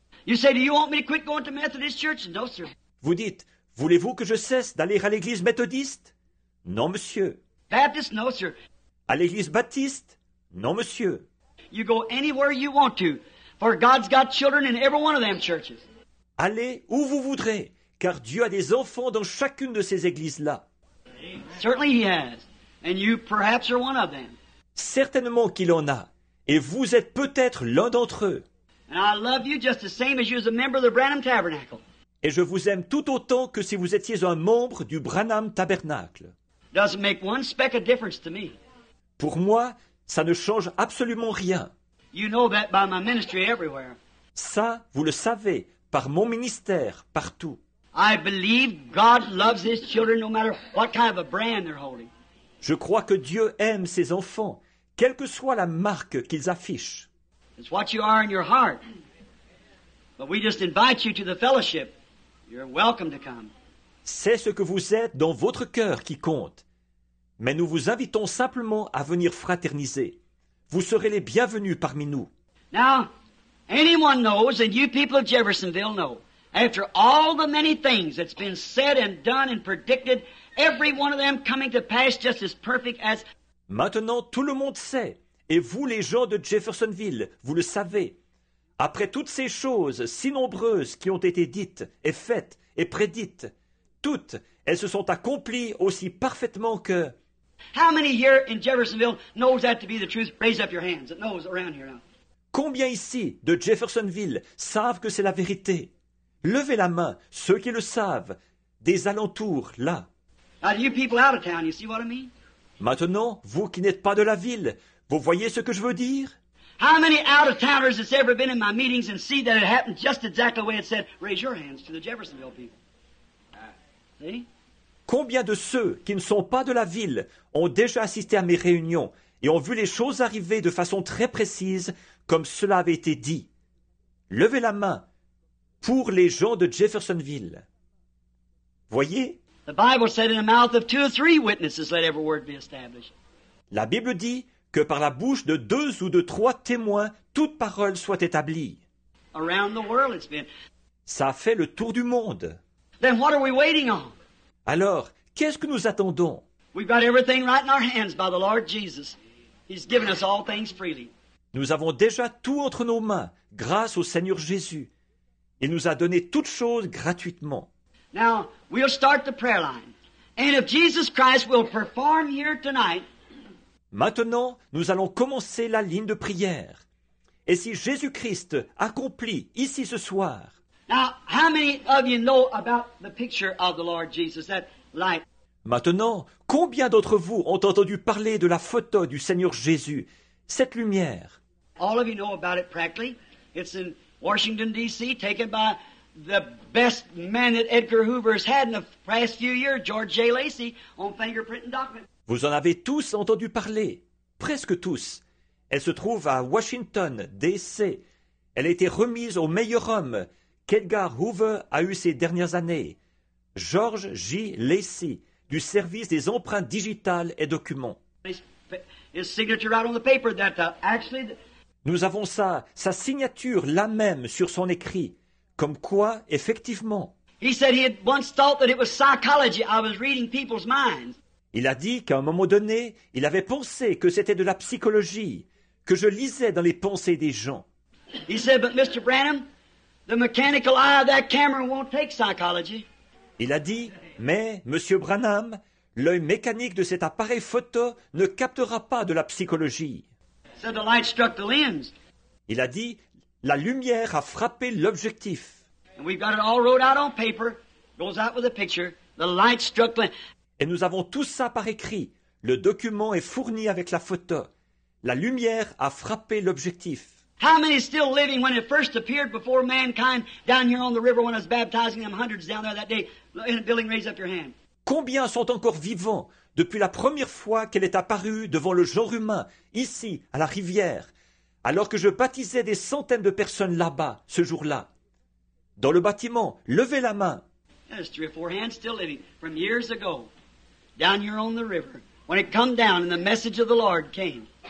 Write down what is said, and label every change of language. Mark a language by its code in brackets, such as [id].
[en] You say, do you want me to quit going to Methodist church? No, sir. [fr] Vous dites, voulez-vous que je cesse d'aller à l'église méthodiste? Non, monsieur. [en] Baptist? No, sir. [fr] À l'église baptiste? Non, monsieur. [en] You go anywhere you want to, for God's got children in every one of them churches. [fr] Allez où vous voudrez, car Dieu a des enfants dans chacune de ces églises-là. [en] Certainly he has, and you perhaps are one of them. [fr] Certainement qu'il en a, et vous êtes peut-être l'un d'entre eux. [en] And I love you just the same as you as a member of the Branham Tabernacle. [fr] Et je vous aime tout autant que si vous étiez un membre du Branham Tabernacle. [en] Doesn't make one speck of difference to me. [fr] Pour moi, ça ne change absolument rien. [en] You know that by my ministry everywhere. [fr] Ça, vous le savez, par mon ministère, partout. [en] I believe God loves his children no matter what kind of a brand they're holding. [fr] Je crois que Dieu aime ses enfants, quelle que soit la marque qu'ils affichent. [en] It's what you are in your heart. But we just invite you to the fellowship. You're welcome to come. [fr] C'est ce que vous êtes dans votre cœur qui compte. Mais nous vous invitons simplement à venir fraterniser. Vous serez les bienvenus parmi nous. [en] Now, anyone knows, and you people of Jeffersonville know, after all the many things that's been said and done and predicted, every one of them coming to pass just as perfect as... [fr] Maintenant, tout le monde sait. Et vous, les gens de Jeffersonville, vous le savez. Après toutes ces choses si nombreuses qui ont été dites et faites et prédites, toutes, elles se sont accomplies aussi parfaitement que... [en] How many here in Jeffersonville knows that to be the truth? Raise up your hands. It knows around here now. [fr] Combien ici de Jeffersonville savent que c'est la vérité? Levez la main, ceux qui le savent, des alentours, là. [en] Now, you people out of town, you see what I mean? [fr] Maintenant, vous qui n'êtes pas de la ville... Vous voyez ce que je veux dire? [en] How many out-of-towners has ever been in my meetings and see that it happened just exactly the way it said? Raise your hands to the Jeffersonville people. See? [fr] Combien de ceux qui ne sont pas de la ville ont déjà assisté à mes réunions et ont vu les choses arriver de façon très précise comme cela avait été dit? Levez la main pour les gens de Jeffersonville. Voyez? [en] The Bible said in the mouth of two or three witnesses let every word be established. [fr] La Bible dit que par la bouche de deux ou de trois témoins, toute parole soit établie. [en] Around the world it's been. [fr] Ça a fait le tour du monde. [en] Then what are we waiting on? [fr] Alors, qu'est-ce que nous attendons? [en] We've got everything right in our hands by the Lord Jesus. He's given us all things freely. [fr] Nous avons déjà tout entre nos mains, grâce au Seigneur Jésus. Il nous a donné toutes choses gratuitement. [en] Now, we'll start the prayer line. And if Jesus Christ will perform here tonight, [fr] maintenant, nous allons commencer la ligne de prière. Et si Jésus-Christ accomplit ici ce soir... [en] Now, how many of you know about the picture of the Lord Jesus, that light? [fr] Maintenant, combien d'entre vous ont entendu parler de la photo du Seigneur Jésus, cette lumière? [en] All of you know about it practically. It's in Washington, D.C., taken by the best man that Edgar Hoover has had in the past few years, George J. Lacey, on fingerprinting documents. [fr] Vous en avez tous entendu parler, presque tous. Elle se trouve à Washington, D.C. Elle a été remise au meilleur homme qu'Edgar Hoover a eu ces dernières années, George J. Lacey, du service des empreintes digitales et documents. [en] His signature right on the paper that actually... [fr] Nous avons sa signature là même sur son écrit, comme quoi effectivement. [en] He said he had once thought that it was psychology. I was reading people's minds. [fr] Il a dit qu'à un moment donné, il avait pensé que c'était de la psychologie, que je lisais dans les pensées des gens. [en] He said, but Mr. Branham, the mechanical eye of that camera won't take psychology. [fr] Il a dit, mais Monsieur Branham, l'œil mécanique de cet appareil photo ne captera pas de la psychologie. [en] So the light struck the lens. [fr] Il a dit, la lumière a frappé l'objectif. [en] And we've got it all wrote out on paper, goes out with a picture, the light struck the lens. [fr] Et nous avons tout ça par écrit. Le document est fourni avec la photo. La lumière a frappé l'objectif. [en] How many still living when it first appeared before mankind down here on the river when I was baptizing them hundreds down there that day? In a building, raise up your hand. [fr] Combien sont encore vivants depuis la première fois qu'elle est apparue devant le genre humain, ici, à la rivière, alors que je baptisais des centaines de personnes là-bas, ce jour-là? Dans le bâtiment, levez la main. [en] There's three or four hands still living from years ago, down here on the river, when it come down and the message of the Lord came.